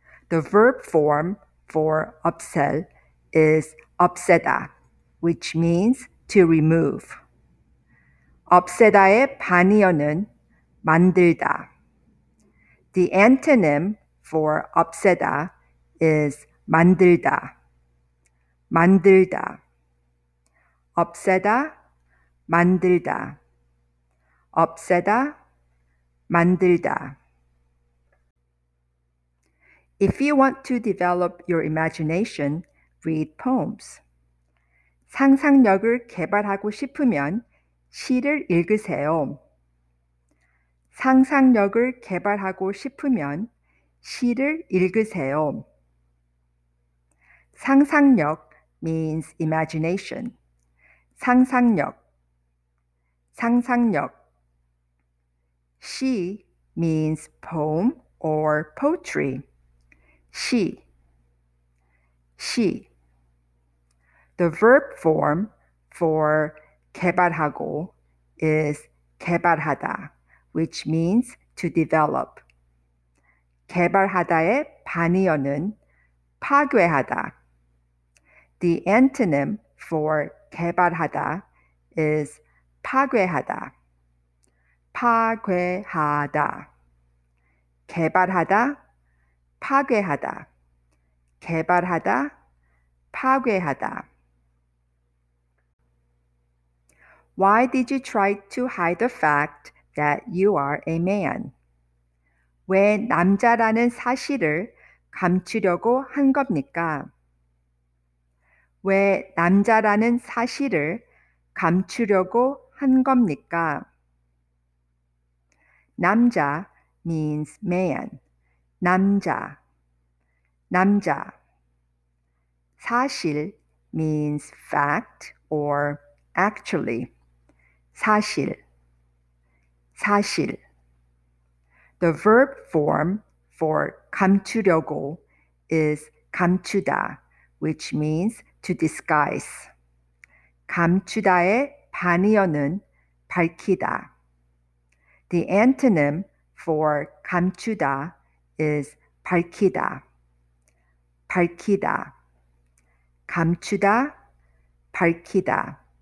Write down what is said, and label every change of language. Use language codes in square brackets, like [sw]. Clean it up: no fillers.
[en] The verb form for 없앨 is 없애다, which means to remove. [ko] 없애다의 반이어는 만들다. [en] The antonym for 없애다 is 만들다. [ko] 만들다. 없애다, 만들다. 없애다, 만들다. [en] If you want to develop your imagination, read poems. [ko] 상상력을 개발하고 싶으면 시를 읽으세요. 상상력을 개발하고 싶으면 시를 읽으세요. [en] 상상력 means imagination. [ko] 상상력. 상상력. [en] 시 means poem or poetry. [ko] 시. 시. [en] The verb form for 개발하고 is 개발하다, which means to develop. [ko] 개발하다의 반이어는 파괴하다. [en] The antonym for 개발하다 is 파괴하다. [ko] 파괴하다. 개발하다, 파괴하다. 개발하다, 파괴하다. [en] Why did you try to hide the fact that you are a man? [ko] 왜 남자라는 사실을 감추려고 한 겁니까? 왜 남자라는 사실을 감추려고 한 겁니까? [en] 남자 means man. 남자. 남자. 사실 means fact or actually. [ko] 사실. 사실. [en] The verb form for 감추려고 is 감추다, which means to disguise. [ko] 감추다의 반의어는 밝히다. [en] The antonym for 감추다 is 밝히다. [ko] 밝히다. 감추다, 밝히다.